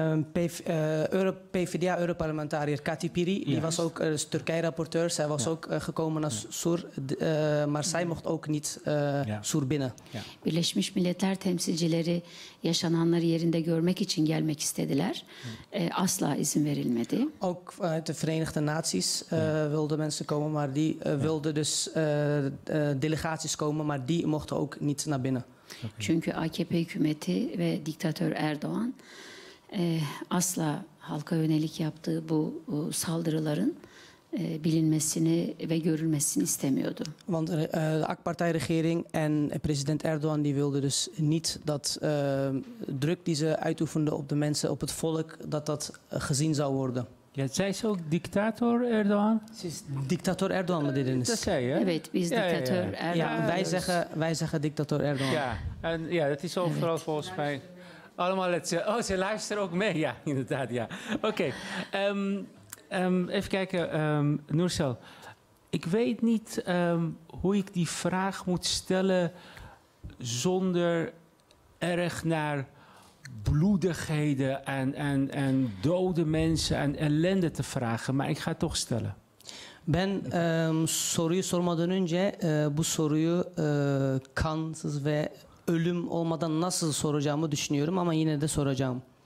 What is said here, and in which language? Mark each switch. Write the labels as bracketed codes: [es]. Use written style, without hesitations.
[nl] PvdA Europarlementariër Katipiri, die was ook Türkiye raportör, zij was ook gekomen naar Sur, maar zij mocht ook niet Sur binnen. [tr] Birleşmiş Milletler temsilcileri yaşananları yerinde görmek için gelmek istediler. Asla izin verilmedi. [nl] Ook de Verenigde Naties wilden mensen komen, maar die wilden dus delegaties komen, maar die mochten ook niet naar binnen. [tr] Çünkü AKP hükümeti ve diktatör Erdoğan asla halka yönelik yaptığı bu saldırıların bilinmesini ve görülmesini istemiyordu. [nl] Want de AK Parti regering en president Erdoğan die wilde dus niet dat druk die ze uitoefende op de mensen, op het volk, dat dat gezien zou worden. Ja, zij is ook dictator Erdoğan. [tr] Dictator Erdoğan mı dediniz? [nl] Dat zei je. [tr] Evet, biz dictator Erdoğan. [nl] Ja, wij zeggen dictator Erdoğan. Ja, en ja, dat is overal volgens mij. Allemaal hetzelfde. Oh, ze luisteren ook mee. Ja, inderdaad, ja. Oké. Even kijken, Nursel. Ik weet niet hoe ik die vraag moet stellen zonder erg naar bloedigheden en dode mensen en ellende te vragen, maar ik ga het toch stellen. [tr] Ben soruyu sormadan önce bu soruyu kansız ve ölüm olmadan nasıl soracağımı düşünüyorum ama yine de soracağım.